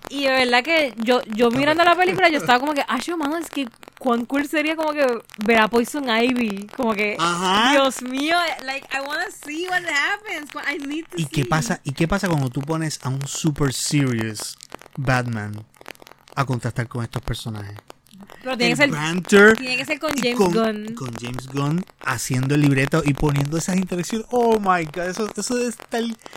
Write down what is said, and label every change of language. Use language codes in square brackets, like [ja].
[es] Y de verdad que yo mirando la película, yo estaba como que, ay, mano, es que cuán cool sería como que ver a Poison Ivy. Como que, ajá. Dios mío, [en] like, I wanna see what happens. I need to [es] ¿Y [en] see. [es] ¿Y qué pasa cuando tú pones a un [en] super serious [es] Batman a contrastar con estos personajes? Pero tiene que ser con James Gunn. Con James Gunn haciendo el libreto y poniendo esas interacciones. [en] Oh my God, [es] eso es tal.